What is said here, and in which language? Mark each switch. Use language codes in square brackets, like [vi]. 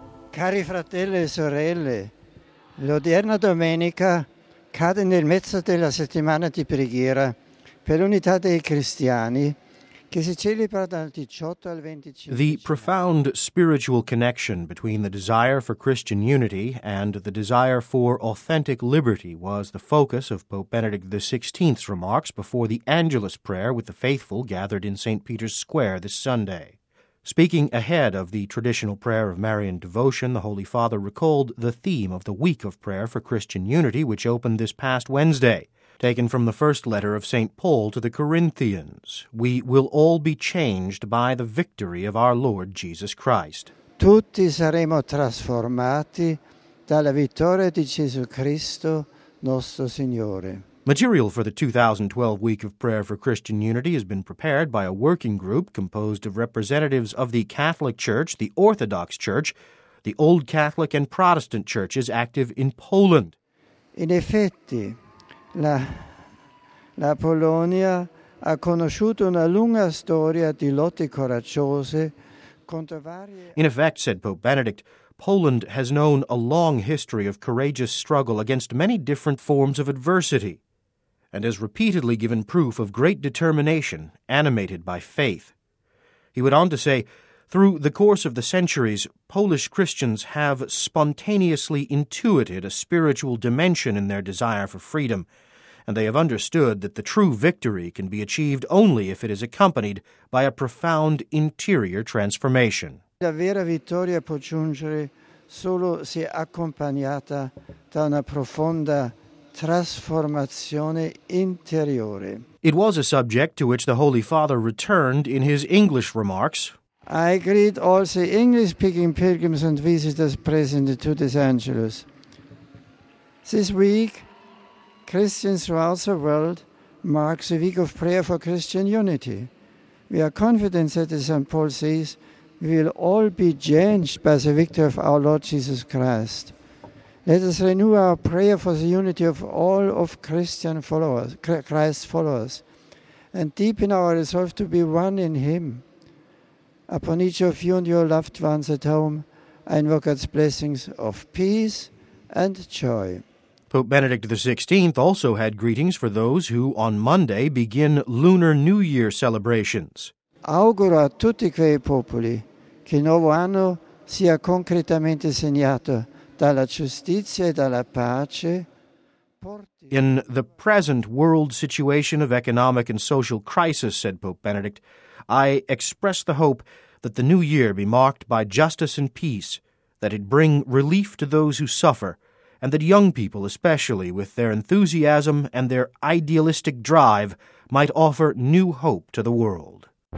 [it] Cari fratelli e sorelle, l'odierna domenica cade nel mezzo della settimana di preghiera per l'unità dei cristiani che si celebra dal 18 al 25. [en] The profound spiritual connection between the desire for Christian unity and the desire for authentic liberty was the focus of Pope Benedict XVI's remarks before the Angelus prayer with the faithful gathered in St. Peter's Square this Sunday. Speaking ahead of the traditional prayer of Marian devotion, the Holy Father recalled the theme of the Week of Prayer for Christian Unity, which opened this past Wednesday, taken from the first letter of St. Paul to the Corinthians. We will all be changed by the victory of our Lord Jesus Christ. [it] Tutti saremo trasformati dalla vittoria di Gesù Cristo, nostro Signore. [en] Material for the 2012 Week of Prayer for Christian Unity has been prepared by a working group composed of representatives of the Catholic Church, the Orthodox Church, the Old Catholic and Protestant Churches active in Poland. [it] In effetti, la Polonia ha conosciuto una lunga storia di lotte coraggiose contro varie... [en] In effect, said Pope Benedict, Poland has known a long history of courageous struggle against many different forms of adversity, and has repeatedly given proof of great determination, animated by faith. He went on to say, through the course of the centuries, Polish Christians have spontaneously intuited a spiritual dimension in their desire for freedom, and they have understood that the true victory can be achieved only if it is accompanied by a profound interior transformation. [it] La vera vittoria può giungere solo se accompagnata da una profonda trasformazione interiore. [en] It was a subject to which the Holy Father returned in his English remarks. I greet all the English-speaking pilgrims and visitors present to this Angelus. This week, Christians throughout the world mark the Week of Prayer for Christian Unity. We are confident that, as St. Paul says, we will all be changed by the victory of our Lord Jesus Christ. Let us renew our prayer for the unity of all of Christ's followers, and deepen our resolve to be one in Him. Upon each of you and your loved ones at home, I invoke God's blessings of peace and joy. Pope Benedict XVI also had greetings for those who, on Monday, begin Lunar New Year celebrations. [it] Auguro a tutti quei popoli che il nuovo anno sia concretamente segnato dalla giustizia e dalla pace. [en] In the present world situation of economic and social crisis, said Pope Benedict, I express the hope that the new year be marked by justice and peace, that it bring relief to those who suffer, and that young people, especially with their enthusiasm and their idealistic drive, might offer new hope to the world.